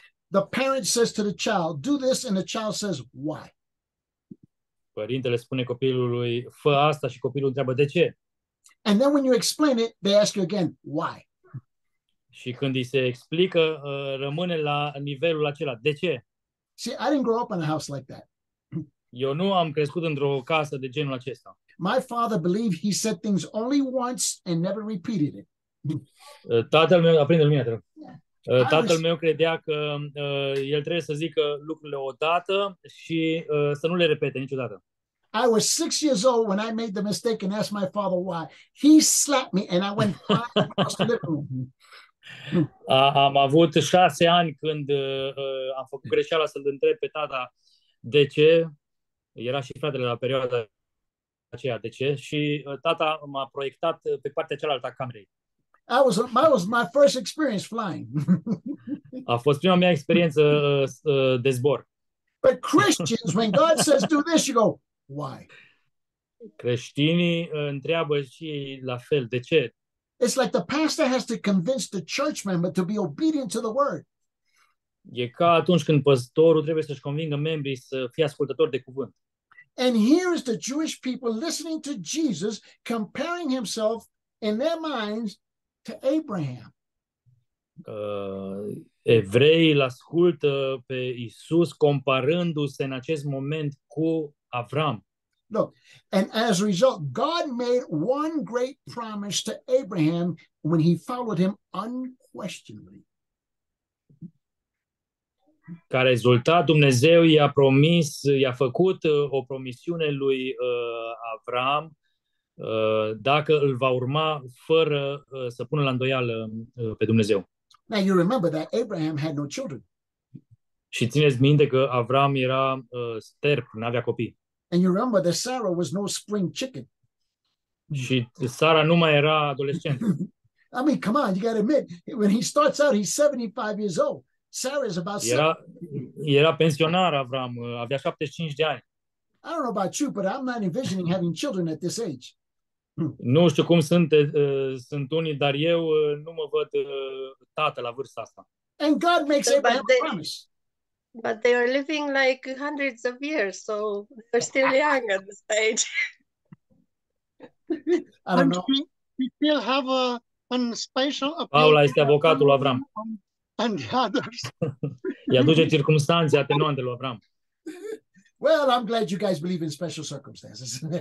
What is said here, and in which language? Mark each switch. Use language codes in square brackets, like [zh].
[en] The parent says to the child, do this, and the child says, why? [ro] Părintele spune copilului, fă asta, și copilul întreabă, de ce? [en] And then when you explain it, they ask you again, why? [ro] Și când îi se explică, rămâne la nivelul acela. De ce? [en] See, I didn't grow up in a house like that. [ro] Eu nu am crescut într-o casă de genul acesta. [en] My father believed he said things only once and never repeated it. [ro] Tatăl meu, aprinde lumina, te rog. Tatăl meu credea că el trebuie să zică lucrurile odată și să nu le repete niciodată. [en] I was 6 years old when I made the mistake and asked my father why. He slapped me and I went flying across the living room. [ro] Am avut 6 ani când am făcut greșeala să-l întreb pe tata de ce, era și fratele la perioada aceea, de ce, și tata m-a proiectat pe partea cealaltă a camerei. [en] That was my first experience flying. [ro] A fost prima mea experiență de zbor. [en] But Christians, when God says do this, you go, why? [ro] Creștinii întreabă și la fel, de ce? [en] It's like the pastor has to convince the church member to be obedient to the word. [ro] E ca atunci când păstorul trebuie să-și convingă membrii să fie ascultători de cuvânt. [en] And here is the Jewish people listening to Jesus comparing himself in their minds to Abraham. [ro] Evreii l-ascultă pe Isus comparându-se în acest moment cu Avram. [en] Look, and as a result, God made one great promise to Abraham when he followed him unquestionably. [ro] Ca rezultat, Dumnezeu i-a promis, i-a făcut o promisiune lui Avram dacă îl va urma fără să pună la îndoială pe Dumnezeu. [en] Now you remember that Abraham had no children. [ro] Și țineți minte că Avram era sterp, n-avea copii. [en] And you remember that Sarah was no spring chicken. [ro] Și Sara nu mai era adolescent. [en] I mean, come on, you gotta admit, when he starts out, he's 75 years old. Sarah is about [ro] 70. Era pensionar Avram, avea 75 de ani. [en] I don't know about you, but I'm not envisioning having children at this age. [ro] Nu știu cum sunt unii, dar eu nu mă văd tată la vârsta asta. [en] And God makes Abraham a promise. But they are living like hundreds of years, so they're still young at this age. I don't know. We still have an special appeal. [ro] Paula este avocatul lui Avram. [en] And the others. [ro] Îi aduce circumstanțe atenuante lui Avram. [en] Well, I'm glad you guys believe in special circumstances.